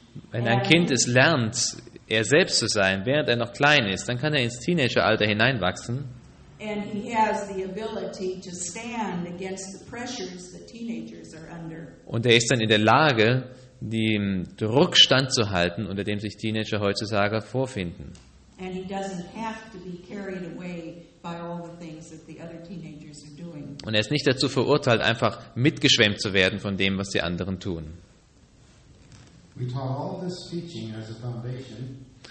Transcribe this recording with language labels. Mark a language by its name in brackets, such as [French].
[German] Wenn ein Kind es lernt, er selbst zu sein, während er noch klein ist, dann kann er ins Teenageralter hineinwachsen. [English] And he has the ability to stand against the pressures that teenagers are under. [German] Und er ist dann in der Lage, dem Druck standzuhalten, unter dem sich Teenager heutzutage vorfinden. [English] And he doesn't have to be carried away by all the things that the other teenagers are doing. [German] Und er ist nicht dazu verurteilt, einfach mitgeschwemmt zu werden von dem, was die anderen tun. [English] We taught all this teaching as a foundation.